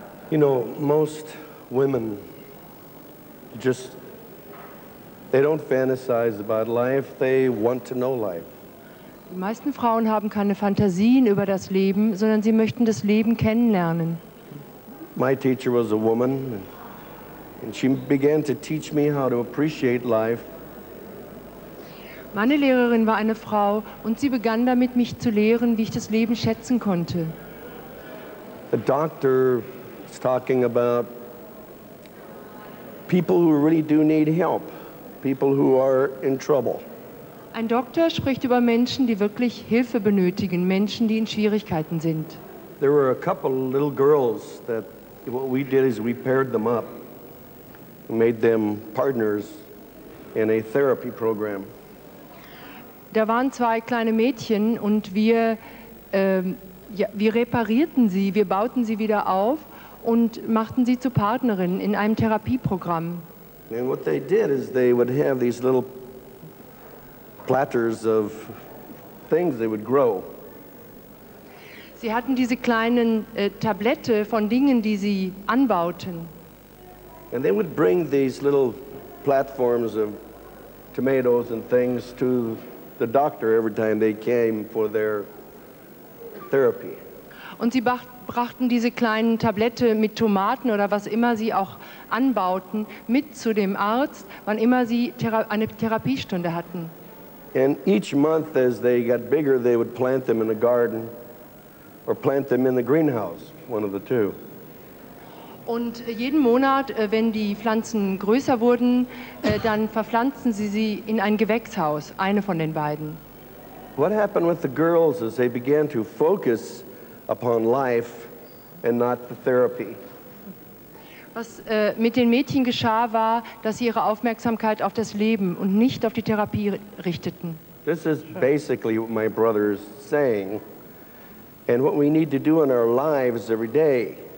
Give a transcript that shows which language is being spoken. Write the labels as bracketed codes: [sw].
[en] You know, most women just, they don't fantasize about life, they want to know life. [de] Die meisten Frauen haben keine Fantasien über das Leben, sondern sie möchten das Leben kennenlernen. [en] My teacher was a woman, and she began to teach me how to appreciate life. [de] Meine Lehrerin war eine Frau, und sie begann damit, mich zu lehren, wie ich das Leben schätzen konnte. [en] A doctor is talking about people who really do need help, people who are in trouble. [de] Ein Doktor spricht über Menschen, die wirklich Hilfe benötigen, Menschen, die in Schwierigkeiten sind. [en] There were a couple little girls that what we did is we paired them up, made them partners in a therapy program. [de] Da waren zwei kleine Mädchen, und wir reparierten sie, wir bauten sie wieder auf und machten sie zu Partnerinnen in einem Therapieprogramm. [en] And what they did is they would have these little platters of things they would grow. [de] Sie hatten diese kleinen Tablette von Dingen, die sie anbauten. [en] And they would bring these little platforms of tomatoes and things to the doctor every time they came for their therapy. [de] Und sie brachten diese kleinen Tablette mit Tomaten oder was immer sie auch anbauten mit zu dem Arzt, wann immer sie eine Therapiestunde hatten. [en] And each month, as they got bigger, they would plant them in a garden or plant them in the greenhouse, one of the two. [de] Und jeden Monat, wenn die Pflanzen größer wurden, dann verpflanzten sie sie in ein Gewächshaus, eine von den beiden. [en] What happened with the girls as they began to focus upon life and not the therapy? [de] Was mit den Mädchen geschah, war, dass sie ihre Aufmerksamkeit auf das Leben und nicht auf die Therapie richteten. [en] This is basically what my brother is saying, and what we need to do in our lives every day.